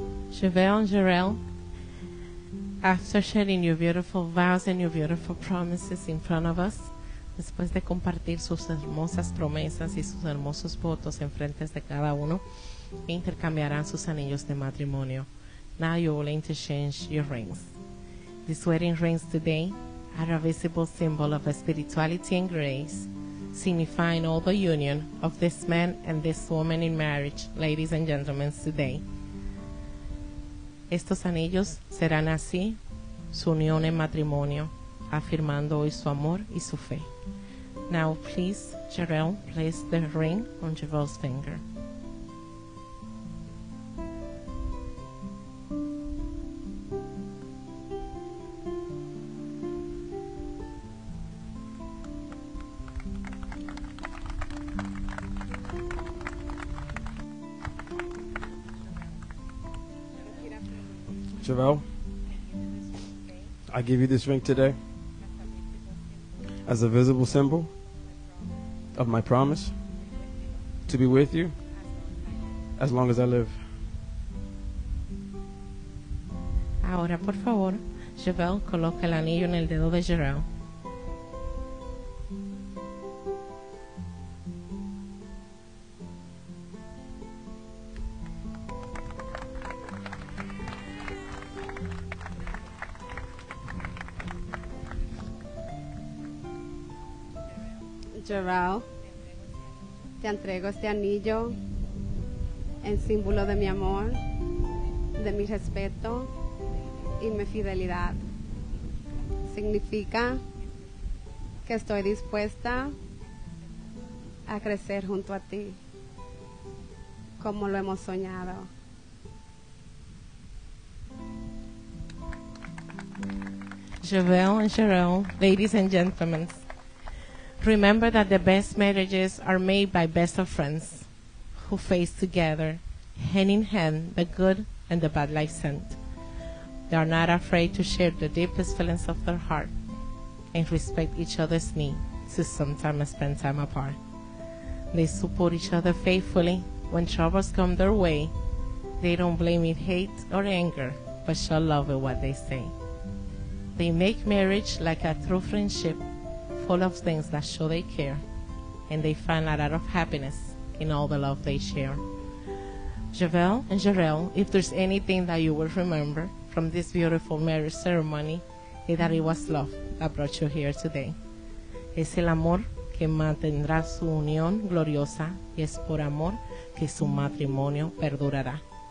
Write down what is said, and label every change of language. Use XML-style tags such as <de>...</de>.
<en>Chevelle and Jarell, after sharing your beautiful vows and your beautiful promises in front of us,</en> <es>después de compartir sus hermosas promesas y sus hermosos votos en frente de cada uno, intercambiarán sus anillos de matrimonio.</es> <en>Now you will interchange your rings. These wedding rings today are a visible symbol of spirituality and grace, signifying all the union of this man and this woman in marriage, ladies and gentlemen, today.</en> <es>Estos anillos serán así su unión en matrimonio, afirmando hoy su amor y su fe.</es> <en>Now, please, Jarell, place the ring on Jarell's finger. Jarell, I give you this ring today as a visible symbol of my promise to be with you as long as I live.</en> <es>Ahora, por favor, Jarell, coloca el anillo en el dedo de Jarell. Jarell, te entrego este anillo en símbolo de mi amor, de mi respeto y mi fidelidad. Significa que estoy dispuesta a crecer junto a ti, como lo hemos soñado.</es> <en>Jarell and Jarell, ladies and gentlemen, remember that the best marriages are made by best of friends who face together, hand in hand, the good and the bad life sent. They are not afraid to share the deepest feelings of their heart and respect each other's need to sometimes spend time apart. They support each other faithfully when troubles come their way. They don't blame in hate or anger, but show love in what they say. They make marriage like a true friendship, full of things that show they care, and they find a lot of happiness in all the love they share. Jarell and Jarell, if there's anything that you will remember from this beautiful marriage ceremony, is that it was love that brought you here today.</en> <es>Es el amor que mantendrá su unión gloriosa, y es por amor que su matrimonio perdurará.</es>